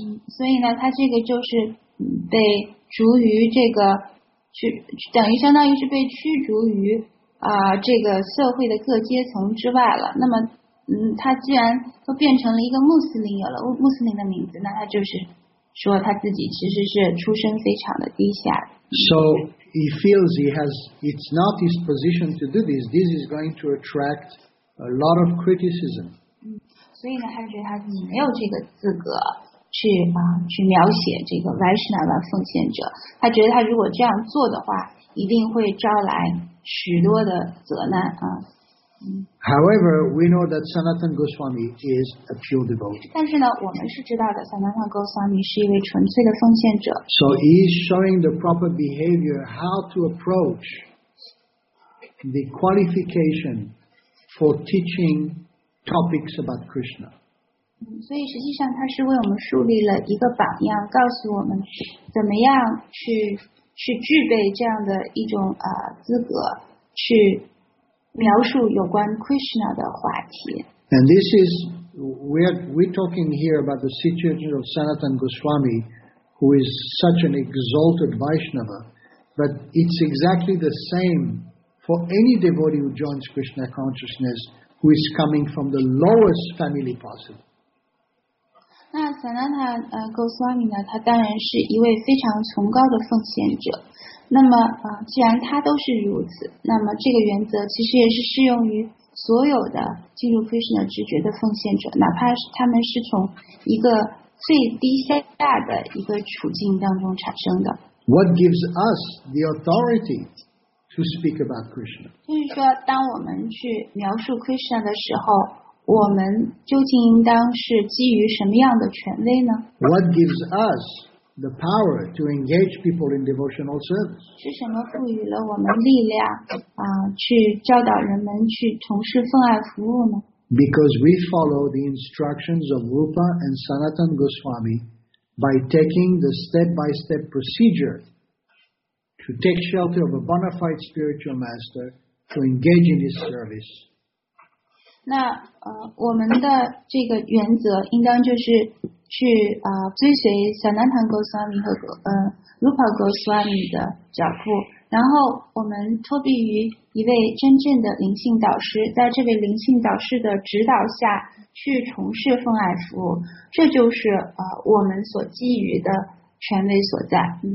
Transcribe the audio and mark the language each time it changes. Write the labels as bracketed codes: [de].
[zh] 所以呢，他这个就是被逐于这个，等于相当于是被驱逐于这个社会的各阶层之外了。那么他既然都变成了一个穆斯林，有了穆斯林的名字，那他就是说他自己其实是出身非常的低下。 [en] So he feels he has, it's not his position to do this. This is going to attract a lot of criticism. [zh] 所以呢，他觉得他自己没有这个资格去啊、去描写这个 Vaishnava 奉献者。他觉得他如果这样做的话，一定会招来许多的责难啊。 [en] However, we know that Sanatana Goswami is a pure devotee. [zh] 但是呢，我们是知道的 ，Sanatana Goswami 是一位纯粹的奉献者。 [en] So he is showing the proper behavior, how to approach the qualification for teaching topics about Krishna. [zh] 所以实际上他是为我们树立了一个榜样，告诉我们怎么样去具备这样的一种啊、资格去。描述有关 Krishna 的话题。 [en] And this is, we're talking here about the situation of Sanatana Goswami, who is such an exalted Vaishnava, but it's exactly the same for any devotee who joins Krishna consciousness, who is coming from the lowest family possible. [zh] 那 Sanatana Goswami 呢，他当然是一位非常崇高的奉献者。那么、既然他都是如此，那么这个原则其实也是适用于所有的进入 Krishna 直觉的奉献者，哪怕他们是从一个最低下的一个处境当中产生的。 [en] What gives us the authority to speak about Krishna? [zh] 就是说，当我们去描述 Krishna 的时候，我们究竟应当是基于什么样的权威呢？ [en] What gives us the power to engage people in devotional service. [zh] 是什么赋予了我们力量啊、去教导人们去从事奉爱服务呢？ [en] Because we follow the instructions of Rupa and Sanatana Goswami by taking the step-by-step procedure to take shelter of a bona fide spiritual master to engage in his service. [zh] 那我们的这个原则应当就是去、追随 Sanatana Goswami 和、Rupa Goswami 的脚步，然后我们托庇于一位真正的灵性导师，在这位灵性导师的指导下去从事奉爱服务，这就是、我们所基于的权威所在。